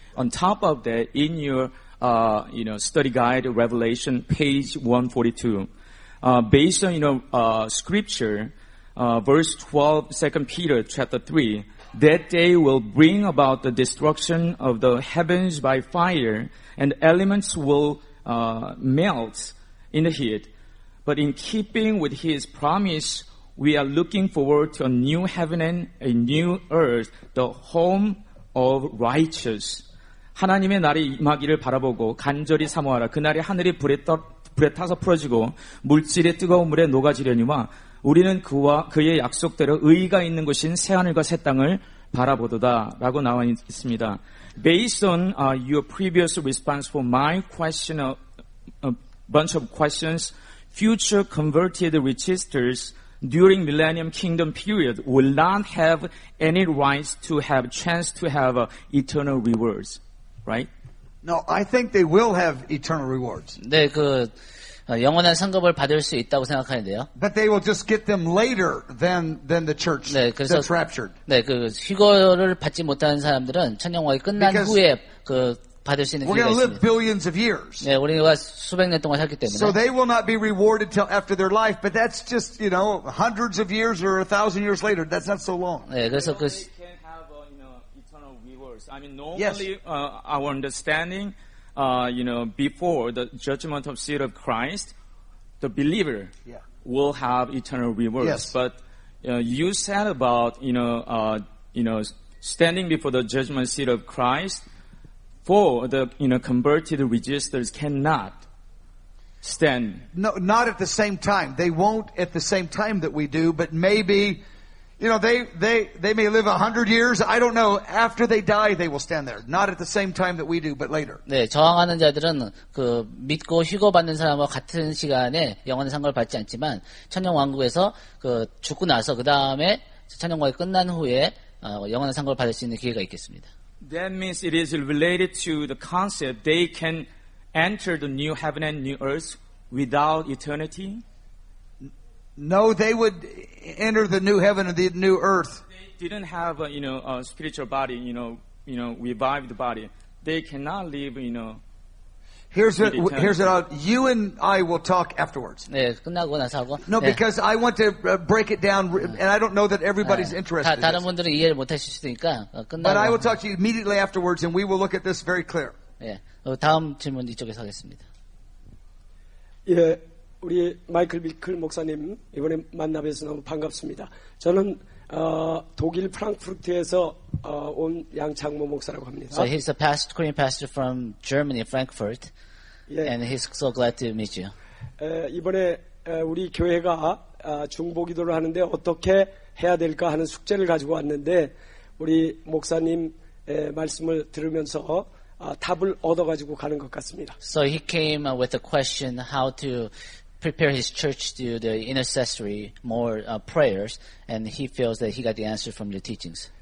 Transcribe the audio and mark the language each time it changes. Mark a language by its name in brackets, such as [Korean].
[English] On top of that, in your study guide, Revelation, page 142, based on scripture, verse 12, 2 Peter chapter 3, that day will bring about the destruction of the heavens by fire, and elements will melt in the heat. But in keeping with his promise, we are looking forward to a new heaven and a new earth, the home of righteous. [Korean] 하나님의 날이 임하기를 바라보고 간절히 사모하라. 그날에 하늘이 불에 타서 풀어지고 물질의 뜨거운 물에 녹아지려니와 우리는 그와 그의 약속대로 의의가 있는 곳인 새하늘과 새 땅을 바라보도다 라고 나와 있습니다. [English] Based on your previous response for my question, a bunch of questions, future converted registers during millennium kingdom period will not have any rights to have chance to have eternal rewards, right? No, I think they will have eternal rewards. [Korean] 네, 그 영원한 상급을 받을 수 있다고 생각하는데요. [English] But they will just get them later than the church [Korean] 네, 그래서, [English] that's raptured. [Korean] 네, 그 휴거를 받지 못하는 사람들은 천년왕이 끝난 [English] Because [Korean] 후에 그 받을 수 있는 [English] We're going to live billions of years. [Korean] 네, 우리가 수백 년 동안 살기 때문에. [English] So they will not be rewarded till after their life, but that's just, you know, hundreds of years or a thousand years later. That's not so long. [Korean] 네, 그래서 그 [English] they can have eternal rewards. I mean normally yes. Our understanding before the judgment of seat of Christ, the believer will have eternal rewards. Yes. But you said about standing before the judgment seat of Christ, for the converted registers cannot stand. No, not at the same time. They won't at the same time that we do. But maybe, they may live 100 years. I don't know. After they die, they will stand there. Not at the same time that we do, but later. [Korean] 네, 저항하는 자들은 그 믿고 휴거 받는 사람과 같은 시간에 영원한 상급을 받지 않지만 천년 왕국에서 그 죽고 나서 그 다음에 천년 왕국이 끝난 후에 영원한 상급을 받을 수 있는 기회가 있겠습니다. [English] That means it is related to the concept they can enter the new heaven and new earth without eternity? No, they would enter the new heaven and the new earth. They didn't have a spiritual body, revived body. They cannot live, you and I will talk afterwards. [Korean] 네, 끝나고 나서 하고. [English] No, [Korean] 네. [English] because I want to break it down, and I don't know that everybody's 네. interested. [Korean] 다른 분들은 이해를 못 하실 수도 있으니까 끝나고. [English] But I will talk to you immediately afterwards, and we will look at this very clear. [Korean] 예, 네. 다음 질문 이쪽에서 하겠습니다. 예, 우리 마이클 미클 목사님 이번에 만나 뵈서 너무 반갑습니다. 저는 독일 프랑크푸르트에서 온 양창모 목사라고 합니다. [English] So he's a pastor, Korean pastor from Germany, Frankfurt. Yeah. And he's so glad to meet you. [Korean] 이번에 우리 교회가 중보기도를 하는데 어떻게 해야 될까 하는 숙제를 가지고 왔는데 우리 목사님 말씀을 들으면서 답을 얻어가지고 가는 것 같습니다. [English] So he came with a question how to prepare his church to do the intercessory more prayers, and he feels that he got the answer from your teachings.